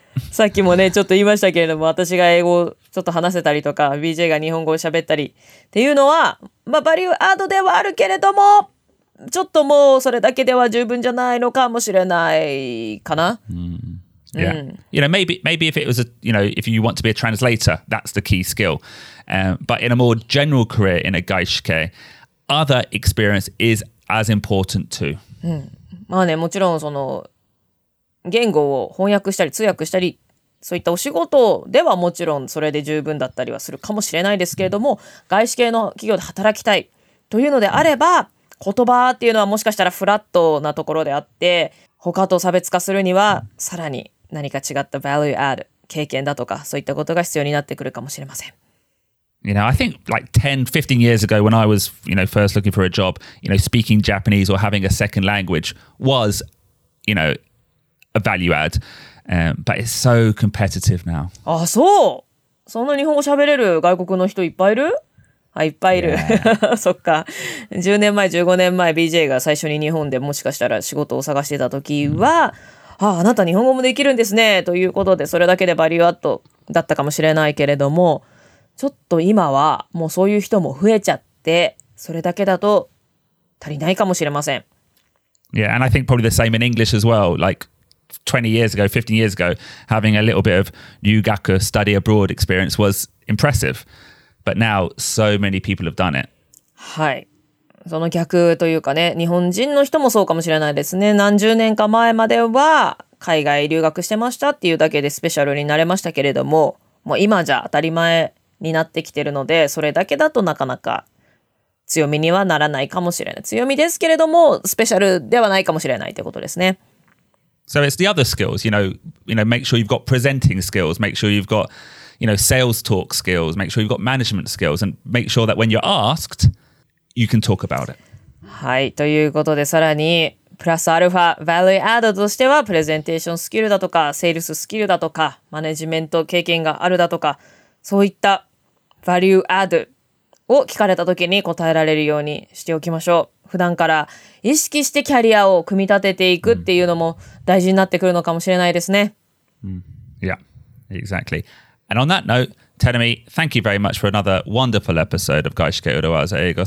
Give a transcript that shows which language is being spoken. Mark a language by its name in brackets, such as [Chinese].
[Japanese] さっきもね、ちょっと言いましたけれども、私が英語をちょっと話せたりとか、BJ が日本語を喋ったりっていうのは、まあ、バリューアードではあるけれども、ちょっともうそれだけでは十分じゃないのかもしれないかな。 [English] Yeah. You know, maybe if it was a, you know, if you want to be a translator, that's the key skill. But in a more general career in a gaishike, other experience is as important too. まあね、もちろんその言語を翻訳したり通訳したり、そういったお仕事ではもちろんそれで十分だったりはするかもしれないですけれども、外資系の企業で働きたいというのであれば、言葉っていうのはもしかしたらフラットなところであって、他と差別化するにはさらに何か違った value add 経験だとか、そういったことが必要になってくるかもしれません。 You know, I think like 10, 15 years ago when I was, you know, first looking for a job, you know, speaking Japanese or having a second language was, you know, a value add. But it's so competitive now. [Japanese] あ、そう。そんな日本語喋れる外国の人いっぱいいる？あ、いっぱいいる。Yeah. そっか。 10年前、15年前、BJ が最初に日本でもしかしたら仕事を探してた時は、mm. あ、あなた日本語もできるんですね、ということで、それだけでバリューアットだったかもしれないけれども、ちょっと今はもうそういう人も増えちゃって、それだけだと足りないかもしれません。 [English] Yeah, and I think probably the same in English as well, like... 20 years ago, 15 years ago, having a little bit of Ryugaku study abroad experience was impressive. But now, so many people have done it. [Japanese] はい。その逆というかね、日本人の人もそうかもしれないですね。何十年か前までは海外留学してましたっていうだけでスペシャルになれましたけれども、もう今じゃ当たり前になってきてるので、それだけだとなかなか強みにはならないかもしれない。強みですけれども、スペシャルではないかもしれないってことですね。 [English] So it's the other skills, you know, make sure you've got presenting skills, make sure you've got, you know, sales talk skills, make sure you've got management skills, and make sure that when you're asked, you can talk about it. [Japanese] はい、ということでさらにプラスアルファ、value add としてはプレゼンテーションスキルだとか、セールススキルだとか、マネジメント経験があるだとか、そういった value add を聞かれた時に答えられるようにしておきましょう。普段から意識してキャリアを組み立てていくっていうのも大事になってくるのかもしれないですね。 [English] Yeah, exactly. And on that note, Terumi, thank you very much for another wonderful episode of Gaishike Urawaza Eigo.